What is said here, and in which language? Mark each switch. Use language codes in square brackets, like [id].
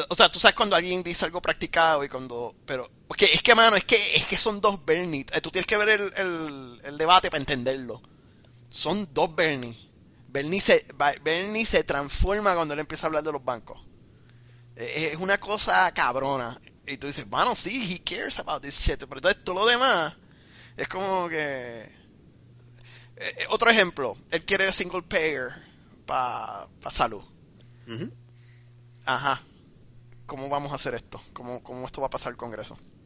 [es] O sea, tú sabes cuando alguien dice algo practicado y cuando, pero, porque es que, mano, es que son dos Bernie. Tú tienes que ver el debate para entenderlo. Son dos Bernie. Bernie se transforma cuando él empieza a hablar de los bancos. Es una cosa cabrona. Y tú dices, mano, sí, [en] he cares about this shit. [es] Pero entonces todo lo demás es como que. Otro ejemplo, él quiere el single payer para pa salud. Ajá. ¿Cómo vamos a hacer esto? ¿Cómo esto va a pasar el Congreso?